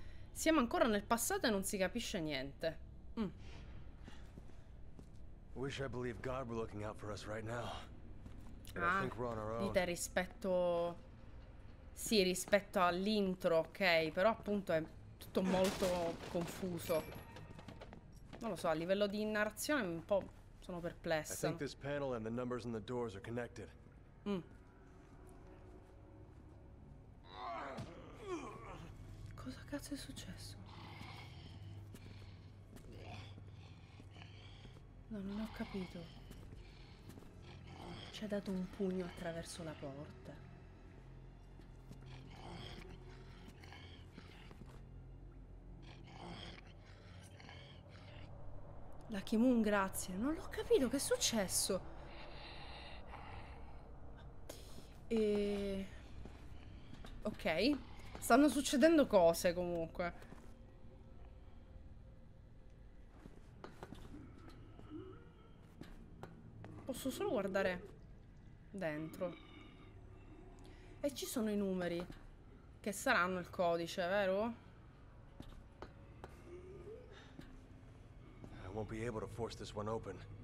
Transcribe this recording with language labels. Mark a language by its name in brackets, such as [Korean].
[Italian] Siamo ancora nel passato e non si capisce niente. [English] Wish I believe God were looking out for us right now. [Italian] Dite rispetto. Sì, rispetto all'intro, ok, però appunto è tutto molto confuso. Non lo so, a livello di narrazione è un po' Sono perplesso. [English] I think this panel and the numbers on the doors are connected. [Italian] Cosa cazzo è successo? No, non ho capito. Ci ha dato un pugno attraverso la porta. La Kimun, grazie. Non l'ho capito, che è successo? E... ok. Stanno succedendo cose, comunque. Posso solo guardare dentro. E ci sono i numeri. Che saranno il codice, vero? [English] Won't be able to force this one open.